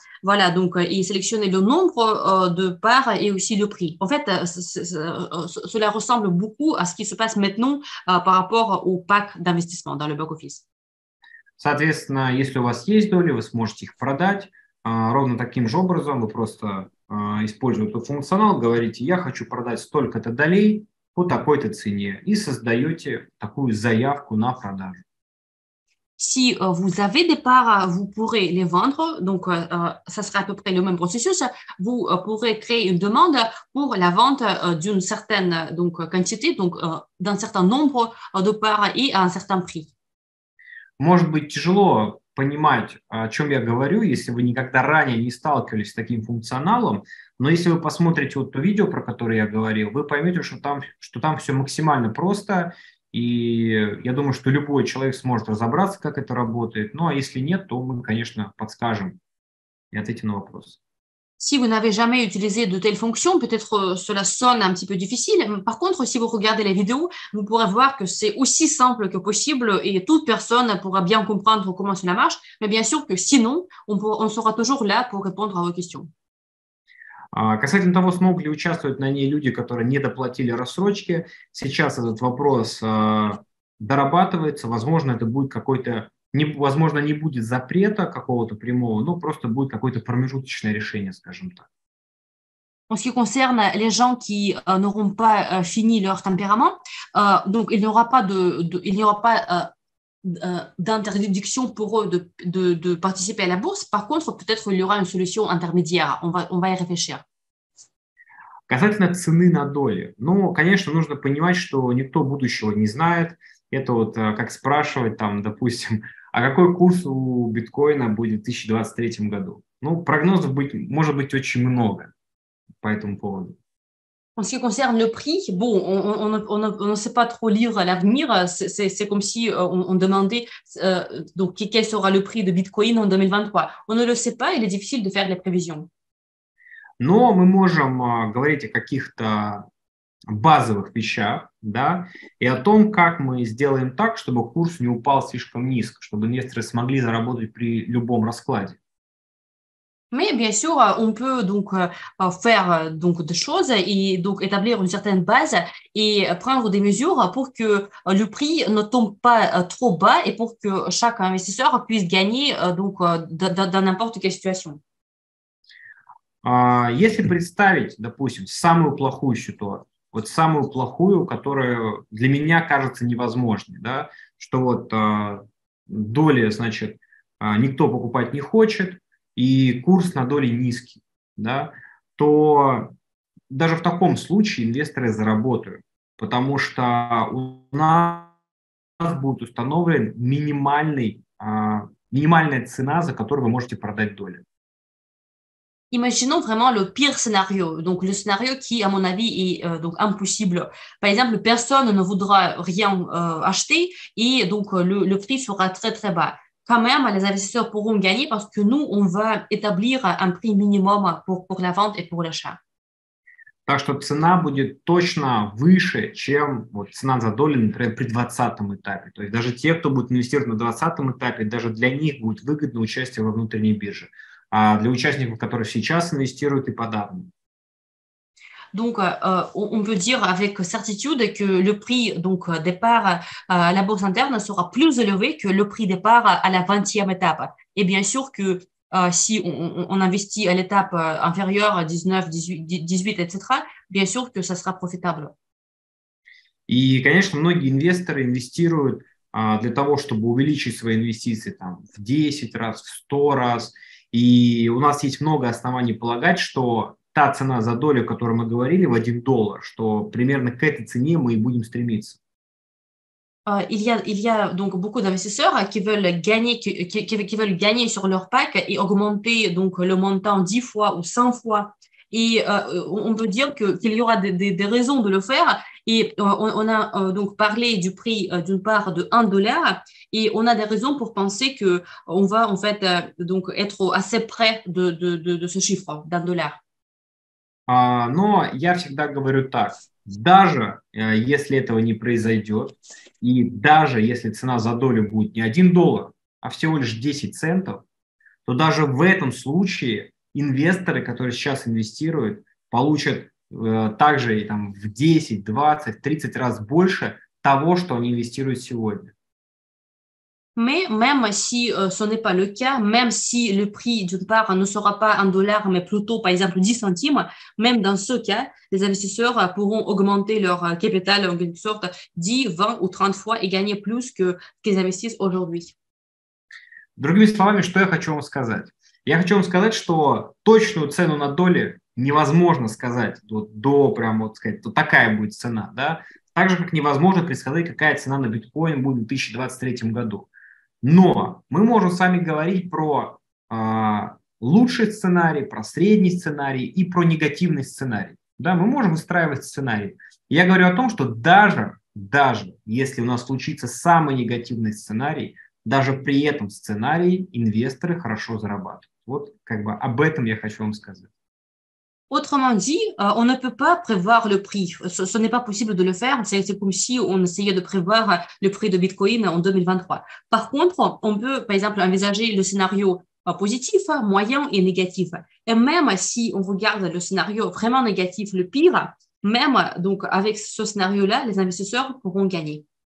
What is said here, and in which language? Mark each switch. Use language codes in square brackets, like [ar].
[fr] Voilà, donc, et sélectionner le nombre de parts et aussi le prix. En fait, cela ressemble beaucoup à ce qui se passe maintenant par rapport au pack d'investissement dans le back-office. [ru] Соответственно, если у вас есть доли, вы сможете их продать. Ровно таким же образом вы просто используете этот функционал, говорите, я хочу продать столько-то долей по такой-то цене и создаете такую заявку на продажу. [fr] Si vous avez des parts, vous pourrez les vendre. Donc, ça sera à peu près le même processus. Vous pourrez créer une demande pour la vente d'une certaine donc, quantité, donc d'un certain nombre de parts et à un certain prix. [ru] Может быть тяжело понимать, о чем я говорю, если вы никогда ранее не сталкивались с таким функционалом, но если вы посмотрите вот то видео, про которое я говорил, вы поймете, что там все максимально просто, и я думаю, что любой человек сможет разобраться, как это работает, ну а если нет, то мы, конечно, подскажем и ответим на вопрос. [fr] Si vous n'avez jamais utilisé de telles fonctions, peut-être cela sonne un petit peu difficile. Par contre, si vous regardez la vidéo, vous pourrez voir que c'est aussi simple que possible et toute personne pourra bien comprendre comment cela marche. Mais bien sûr que sinon, on sera toujours là pour répondre à vos questions. [ru] Касательно того, смогут ли участвовать на ней люди, которые не доплатили рассрочки, сейчас этот вопрос дорабатывается. Возможно, это будет какой-то... Возможно, не будет запрета какого-то прямого, но просто будет какое-то промежуточное решение, скажем так. [fr] En ce qui concerne les gens qui n'auront pas fini leur tempérament, donc il n'y aura pas d'interdiction pour eux de participer à la bourse. Par contre, peut-être il y aura une solution intermédiaire. On va y réfléchir. [ru] Касательно цены на доли, ну, конечно, нужно понимать, что никто будущего не знает. Это вот как спрашивать, там, допустим, а какой курс у биткоина будет в 2023 году? Ну, прогнозов быть, может быть очень много по этому поводу. [fr] En ce qui concerne le prix, bon, on ne sait pas trop lire l'avenir. C'est comme si on demandait donc quel sera le prix de Bitcoin en 2023. On ne le sait pas, il est difficile de faire les prévisions. [ru] Но мы можем говорить о каких-то базовых вещах, да, и о том, как мы сделаем так, чтобы курс не упал слишком низко, чтобы инвесторы смогли заработать при любом раскладе. [fr] Mais bien sûr, on peut donc faire donc des choses et donc établir une certaine base et prendre des mesures pour que le prix ne tombe pas trop bas et pour que chaque investisseur puisse gagner donc dans n'importe quelle situation. [ru] Если представить, допустим, самую плохую ситуацию, вот самую плохую, которая для меня кажется невозможной, да, что вот доли, значит, никто покупать не хочет, и курс на доли низкий, да, то даже в таком случае инвесторы заработают, потому что у нас будет установлен минимальная цена, за которую вы можете продать долю. [fr] Imaginons vraiment le pire scénario, donc le scénario qui, à mon avis, est donc impossible. Par exemple, personne ne voudra rien acheter et donc le prix sera très, très bas. Quand même, les investisseurs pourront gagner parce que nous, on va établir un prix minimum pour la vente et pour l'achat. [ru] Так что цена будет точно выше, чем вот цена за долю, например, при 20-м этапе. То есть даже те, кто будет инвестировать на 20-м этапе, даже для них будет выгодно участие во внутренней бирже. А для участников, которые сейчас инвестируют, и подавно. [fr] Donc, on peut dire avec certitude que le prix donc départ à la bourse interne sera plus élevé que le prix départ à la 20e étape. Et bien sûr que si on investit à l'étape inférieure 19, 18, etc., bien sûr que ça sera profitable. [ru] И, конечно, многие инвесторы инвестируют для того, чтобы увеличить свои инвестиции там в 10 раз, в 100 раз. И у нас есть много оснований полагать, что та цена за долю, о которой мы говорили, в $1, что примерно к этой цене мы и будем стремиться. [fr] Il y a donc beaucoup d'investisseurs qui veulent gagner sur leur pack et augmenter donc le montant 10 fois ou 100 fois. Et on peut dire qu'il y aura des raisons de le faire. Et on a donc parlé du prix d'une part de $1 et on a des raisons pour penser qu'on va en fait donc être assez près de ce chiffre $1. [ru] Но я всегда говорю так, даже если этого не произойдет, и даже если цена за долю будет не $1, а всего лишь 10 центов, то даже в этом случае инвесторы, которые сейчас инвестируют, получат также там, в 10, 20, 30 раз больше того, что они инвестируют сегодня. [fr] Mais même si ce n'est pas le cas, même si le prix d'une part ne sera pas $1, mais plutôt, par exemple, 10 centimes, même dans ce cas, les investisseurs pourront augmenter leur capital en quelque sorte 10, 20 ou 30 fois et gagner plus que ce qu'ils investissent aujourd'hui. [ru] Другими словами, что я хочу вам сказать? Я хочу вам сказать, что точную цену на доли невозможно сказать вот такая будет цена, да? Так же, как невозможно предсказать, какая цена на биткоин будет в 2023 году. Но мы можем с вами говорить про лучший сценарий, про средний сценарий и про негативный сценарий. Да, мы можем выстраивать сценарий. Я говорю о том, что даже если у нас случится самый негативный сценарий, даже при этом сценарии инвесторы хорошо зарабатывают. Вот как бы об этом я хочу вам сказать. [fr] Autrement dit, on ne peut pas prévoir le prix. Ce n'est pas possible de le faire. C'est comme si on essayait de prévoir le prix de Bitcoin en 2023. Par contre, on peut, par exemple, envisager le scénario positif, moyen et négatif. Et même si on regarde le scénario vraiment négatif, le pire, même donc, avec ce scénario-là, les investisseurs pourront gagner.